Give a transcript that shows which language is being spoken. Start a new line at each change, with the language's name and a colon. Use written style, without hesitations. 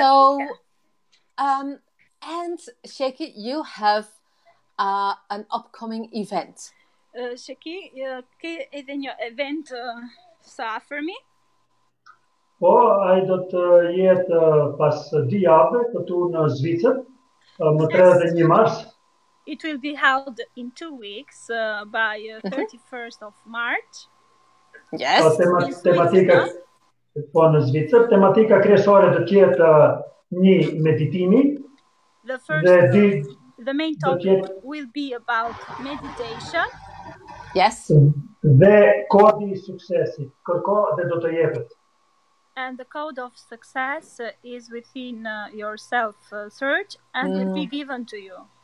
English: So, and Sheki, you have an upcoming event.
Albanian: Sheki, ke edhe një event së afërmi? Po, ai do të jetë pas dy javëve këtu në Zvicër, më 31 mars.
English: It will be held in 2 weeks, by 31st of March. Yes.
Albanian: Po, tematika, po në Zvicër, tematika kryesore do të jetë një meditimi.
English: The main topic will be about meditation. Yes.
Albanian: Dhe kodi I suksesit, kërko dhe do të jepet.
English: And the code of success is within yourself, search, and will be given to you.